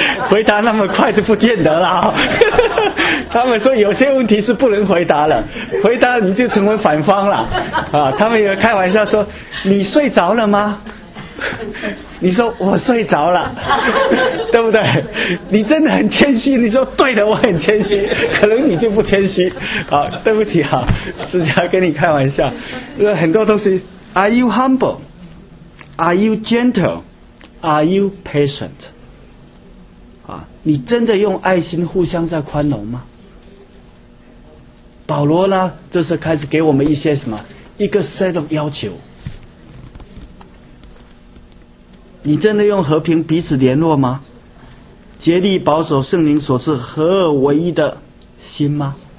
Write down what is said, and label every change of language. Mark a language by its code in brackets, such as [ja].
[zh] 回答那么快就不见得了、哦、他们说有些问题是不能回答了，回答你就成为反方了啊！他们也开玩笑说你睡着了吗？你说我睡着了，对不对？你真的很谦虚，你说对的，我很谦虚，可能你就不谦虚啊。对不起啊，是在跟你开玩笑。很多东西 [en] Are you humble? Are you gentle? Are you patient? [zh] 啊，你真的用爱心互相在宽容吗？保罗呢，这是开始给我们一些什么一个 set of 要求。你真的用和平彼此联络吗？竭力保守圣灵所赐合而为一的心吗？